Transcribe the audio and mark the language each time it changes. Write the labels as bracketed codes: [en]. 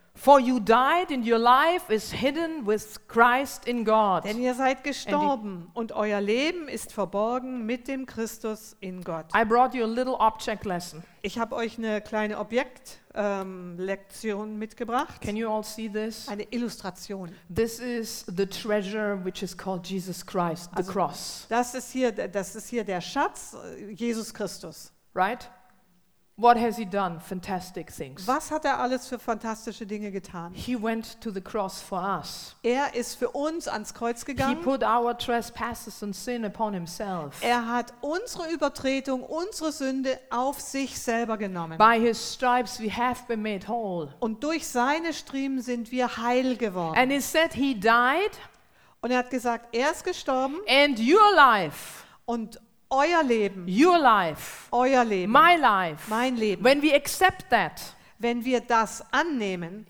[en] For you died and your life is hidden with Christ in God. [de] Denn ihr seid gestorben und euer Leben ist verborgen mit dem Christus in Gott. [en] I brought you a little object lesson. [de] Ich habe euch eine kleine Objekt Lektion mitgebracht. [en] Can you all see this? [de] Eine Illustration. [en] This is the treasure which is called Jesus Christ, the cross. [de] Das ist hier der Schatz, Jesus Christus. [en] Right? What has he done? Fantastic things. [de] Was hat er alles für fantastische Dinge getan? [en] He went to the cross for us. [de] Er ist für uns ans Kreuz gegangen. [en] He put our trespasses and sin upon himself. [de] Er hat unsere Übertretung, unsere Sünde auf sich selber genommen. [en] By his stripes we have been made whole. [de] Und durch seine Striemen sind wir heil geworden. [en] And he said he died. [de] Und er hat gesagt, er ist gestorben. [en] And your life. [de] Und euer Leben, [en] your life, [de] euer Leben, [en] my life, [de] mein Leben. [en] When we accept that, [de] wenn wir das annehmen,